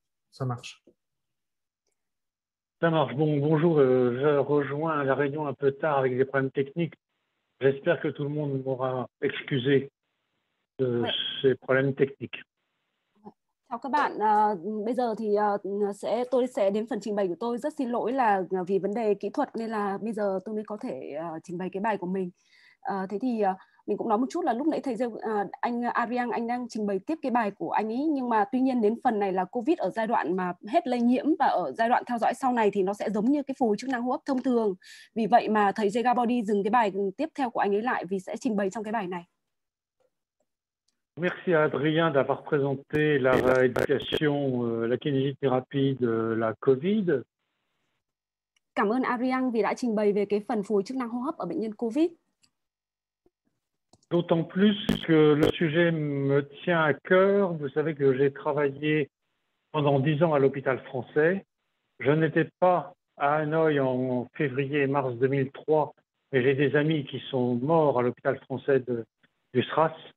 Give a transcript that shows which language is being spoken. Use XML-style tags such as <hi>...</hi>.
<fr>Ça marche. Bon, bonjour. Je rejoins la réunion un peu tard avec des problèmes techniques. J'espère que tout le monde m'aura excusé de ces problèmes techniques.</fr> <vi>Chào các bạn. Bây giờ thì tôi sẽ đến phần trình bày của tôi. Rất xin lỗi là vì vấn đề kỹ thuật nên là bây giờ tôi mới có thể trình bày cái bài của mình. Thế thì mình cũng nói một chút là lúc nãy thầy anh Arian anh đang trình bày tiếp cái bài của anh ấy, nhưng mà tuy nhiên đến phần này là COVID ở giai đoạn mà hết lây nhiễm và ở giai đoạn theo dõi sau này thì nó sẽ giống như cái phục hồi chức năng hô hấp thông thường. Vì vậy mà thầy Jarabody dừng cái bài tiếp theo của anh ấy lại vì sẽ trình bày trong cái bài này.</vi> <fr>Merci Adrien d'avoir présenté la rééducation, la kinésithérapie de la COVID.</fr> <vi>Cảm ơn Arian vì đã trình bày về cái phần phục hồi chức năng hô hấp ở bệnh nhân COVID.</vi> <fr>D'autant plus que le sujet me tient à cœur. Vous savez que j'ai travaillé pendant 10 ans à l'hôpital français. Je n'étais pas à Hanoï en février-mars 2003, mais j'ai des amis qui sont morts à l'hôpital français du SRAS.</fr>